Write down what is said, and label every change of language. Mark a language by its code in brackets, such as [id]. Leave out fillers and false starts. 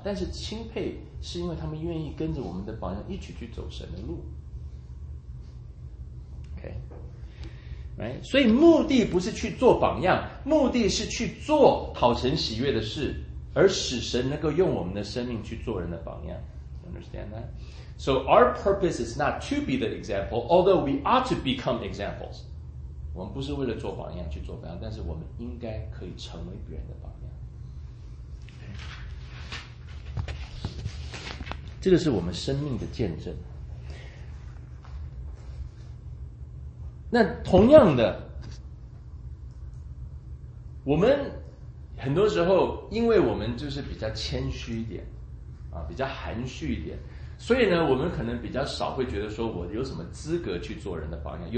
[zh] 但是钦佩是因为他们愿意跟着我们的榜样一起去走神的路。 [en] OK，Right? [zh] 所以目的不是去做榜样，目的是去做讨神喜悦的事，而使神能够用我们的生命去做人的榜样。 [en] Understand that? So our purpose is not to be the example, although we ought to become examples. [zh] 我们不是为了做榜样去做榜样，但是我们应该可以成为别人的榜样。 [en] Okay. [zh] 这个是我们生命的见证。那同样的，我们很多时候因为我们就是比较谦虚一点啊，比较含蓄一点，所以呢我们可能比较少会觉得说我有什么资格去做人的榜样。